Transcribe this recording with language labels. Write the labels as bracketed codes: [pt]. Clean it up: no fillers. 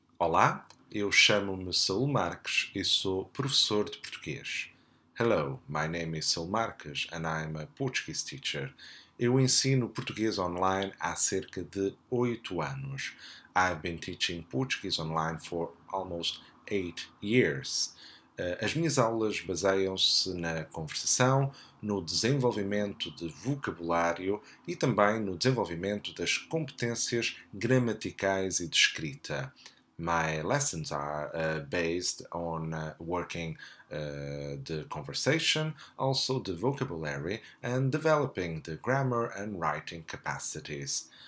[pt] Olá, eu chamo-me Saul Marques e sou professor de português. [en] Hello, my name is Saul Marques and I'm a Portuguese teacher. [pt] Eu ensino português online há cerca de 8 anos. [en] I've been teaching Portuguese online for almost 8 years. [pt] As minhas aulas baseiam-se na conversação, no desenvolvimento de vocabulário e também no desenvolvimento das competências gramaticais e de escrita. [en] My lessons are based on working the conversation, also the vocabulary, and developing the grammar and writing capacities.